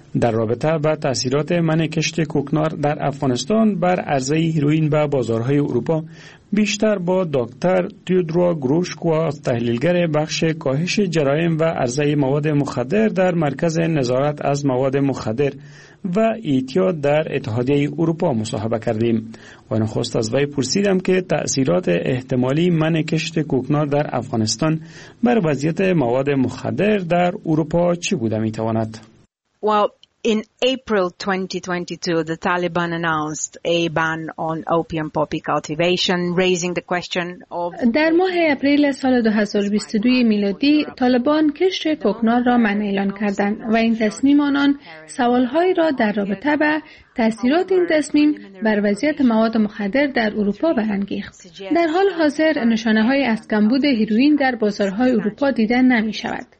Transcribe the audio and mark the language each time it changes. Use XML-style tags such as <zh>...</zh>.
<fa>در رابطه با تأثیرات منع کشت کوکنار در افغانستان بر عرضه هیروئین به بازارهای اروپا بیشتر با دکتر تیودرا گروشکوا تحلیلگر بخش کاهش جرایم و عرضه مواد مخدر در مرکز نظارت از مواد مخدر و اعتیاد در اتحادیه اروپا مصاحبه کردیم و نخست از وی پرسیدم که تأثیرات احتمالی منع کشت کوکنار در افغانستان بر وضعیت مواد مخدر در اروپا چی بوده میتواند؟</fa> <en>Well, in April 2022, the Taliban announced a ban on opium poppy cultivation, raising the question of.</en> <fa>در ماه اپریل سال 2022 میلادی، طالبان کشت کوکنار را منع اعلان کردند و این تصمیم آنان سوال‌هایی را در رابطه با تأثیرات این تصمیم بر وضعیت مواد مخدر در اروپا برانگیخت. در حال حاضر، نشانه‌های از کمبود هیروئین در بازارهای اروپا دیده نمی‌شود.</fa>